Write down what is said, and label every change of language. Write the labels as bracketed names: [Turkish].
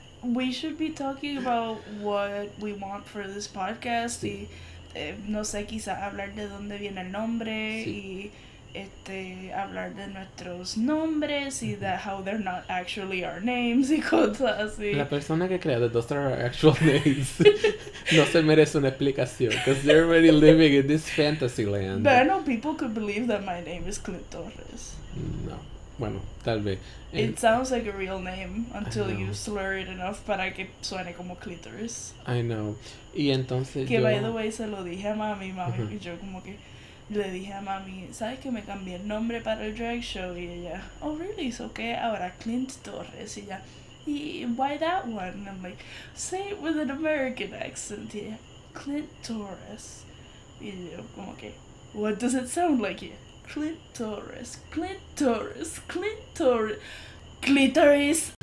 [English] We should be talking about what we want for this podcast. [Spanish] Sí. Y, no sé, quizá hablar de dónde viene el nombre. Sí. Y, hablar de nuestros nombres y de [English] how they're not actually our names [Spanish] y cosas así. La persona que crea [English] the dos are our actual names [Spanish] no se merece una explicación [English] because they're already living in this fantasy land. But I know people could believe that my name is Clint Torres. [Spanish] No. Bueno, tal vez. [English] It sounds like a real name until you slur it enough [Spanish] para que suene como clitoris. [English] I know. [Spanish] Y entonces que, [English] by the way, [Spanish] se lo dije a mami, mami, uh-huh. Y yo como que le dije a mami, ¿sabes que me cambié el nombre para el drag show? Y ella, [English] oh, really? [Spanish] So, ¿qué? Ahora Clint Torres. Y ella, ¿y [English] why that one? And I'm like, say it with an American accent. [Spanish] Y ella, Clint Torres. Y yo, como que, [English] what does it sound like? [Spanish] Y ella, Clint Torres, Clint Torres, Clint Torres, clitoris.